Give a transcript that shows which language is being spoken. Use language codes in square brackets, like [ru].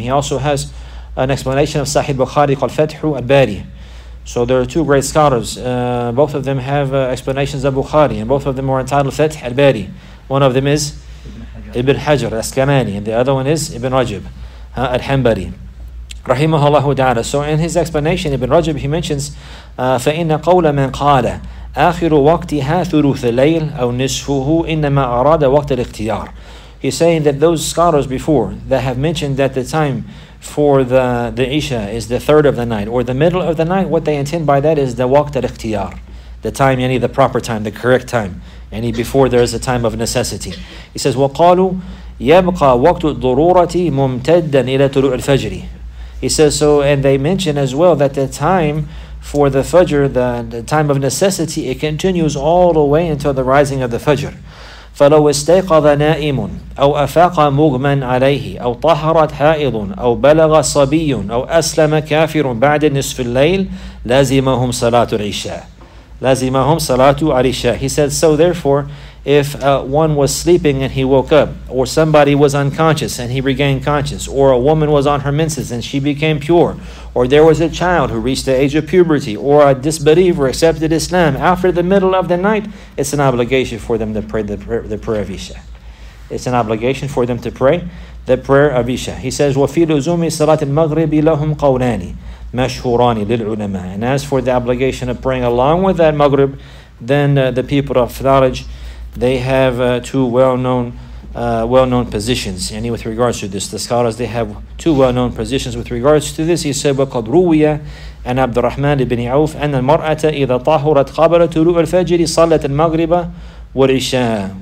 [en] He also has an explanation of Sahih Bukhari called Fathu al-Bari. So there are two great scholars. Both of them have explanations of Bukhari, and both of them are entitled Fath al-Bari. One of them is Ibn Hajar al-Asqalani, and the other one is Ibn Rajab al-Hanbali, rahimahullah ta'ala. So in his explanation, Ibn Rajab, he mentions, [ar] فَإِنَّ قَوْلَ مَنْ قَالَ آخِرُ وَقْتِهَا ثُلُثَ اللَّيْلِ أَوْ نِصْفُهُ إِنَّمَا أَرَادَ وَقْتَ الْإِخْتِيَارِ. [en] He's saying that those scholars before that have mentioned that the time for the Isha is the third of the night or the middle of the night, what they intend by that is the waqt al-ikhtiyar, the time, yani the proper time, the correct time, yani before there is a time of necessity. He says, [ar] وَقَالُوا يَبْقَى وَقْتُ الضُرُورَةِ مُمْتَدًا إِلَى تُلُوعِ الْفَجْرِ. [en] He says, so, and they mention as well that the time for the fajr, the time of necessity, it continues all the way until the rising of the fajr. [ar] فَلَوْ اسْتَيْقَظَ نَائِمٌ أَوْ أَفَاقَ مُغْمًا عَلَيْهِ أَوْ طَهَرَتْ حَائِضٌ أَوْ بَلَغَ صَبِيٌّ أَوْ أَسْلَمَ كَافِرٌ بَعْدِ نِصْفِ اللَّيْلِ لَازِمَهُمْ صَلَاةُ الْعِشَاءِ لَازِمَهُمْ صَلَاةُ الْعِشَاءِ. [en] He said, so therefore, if one was sleeping and he woke up, or somebody was unconscious and he regained conscious, or a woman was on her menses and she became pure, or there was a child who reached the age of puberty, or a disbeliever accepted Islam after the middle of the night, it's an obligation for them to pray the prayer of Isha. It's an obligation for them to pray the prayer of Isha. He says, [ar] وَفِي لُزُومِ صَلَاةِ الْمَغْرِبِ لَهُمْ قَوْلَانِ مَشْهُورَانِ لِلْعُلَمَاءِ. [en] And as for the obligation of praying along with that Maghrib, then the people of knowledge, they have two well-known positions, yani with regards to this. The scholars, they have two well-known positions with regards to this. He said, [ar] وَقَدْ رُوِيَ عَنْ عَبْدُ الرَّحْمَنِ بِنِ عَوْفِ أَنَّ الْمَرْأَةَ إِذَا طَهُرَتْ قَبْلَ تُلُوعِ الْفَجْرِ صَلَّتِ الْمَغْرِبَ وَالْعِشَاءَ.